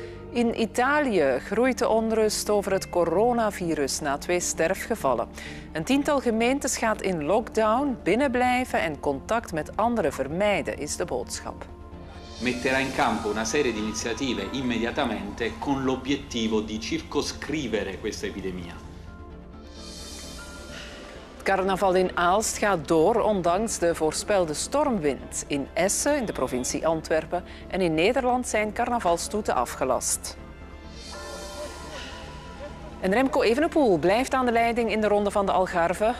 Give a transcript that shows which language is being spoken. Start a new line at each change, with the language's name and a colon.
Dutch: In Italië groeit de onrust over het coronavirus na 2 sterfgevallen. Een tiental gemeentes gaat in lockdown, binnenblijven en contact met anderen vermijden, is de boodschap.
Italian: Metterà in campo una serie di iniziative immediatamente con l'obiettivo di circoscrivere questa epidemia.
Dutch: Het carnaval in Aalst gaat door, ondanks de voorspelde stormwind. In Essen, in de provincie Antwerpen, en in Nederland zijn carnavalstoeten afgelast. En Remco Evenepoel blijft aan de leiding in de ronde van de Algarve.